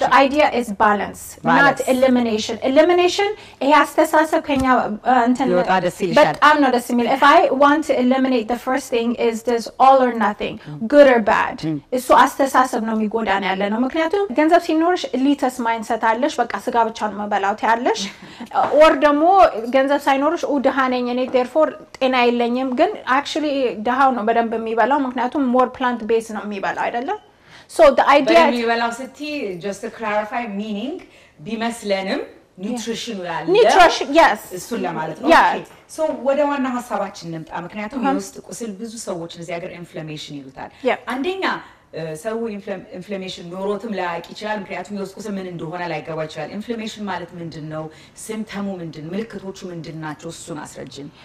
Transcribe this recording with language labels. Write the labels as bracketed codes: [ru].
[en] the idea is balance not elimination [am] ይሄ አስተሳሰብ ከኛ እንትን በጣም ነው ደስ የሚል [en] if I want to eliminate the first thing is this all or nothing good or bad [am] እሱ አስተሳሰብ ነው የሚጎዳን ያለ ነው ምክንያቱም ገንዘብ ሲኖርሽ [en] elitist mindset [am] አለሽ በቃ ስጋ ብቻ ነው መበላው ታያለሽ or ደግሞ ገንዘብ ሳይኖርሽ ድሃ ነኝ እኔ therefore ጤና የለኝም ግን actually ድሃው ነው በደንብ የሚበላው ምክንያቱም [en] more plant based [am] ነው የሚበላው አይደለም [en] So the idea [am] But የምንበላውን [en] just to clarify meaning [am] ቢመስለንም nutrition ላለ [en] Nutrition yes [am] እሱን ለማለት ነው Okay So ወደ ዋና ሐሳባችን እንምጣ ምክንያቱም ውስጥ ቁስል ብዙ ሰዎች እዚህ ሀገር inflammation ይሉታል አንደኛ ሰው ኢንፍላሜሽን ኖሮትም ላይቅ ይችላል ምክንያቱም የውስጥ ቁስል ምን እንደሆነ ላይገባ ይችላል ኢንፍላሜሽን ማለት ምንድነው ሲምፕተሙ ምንድነው ምልክቶቹ ምንድናቸው እሱን አስረጅን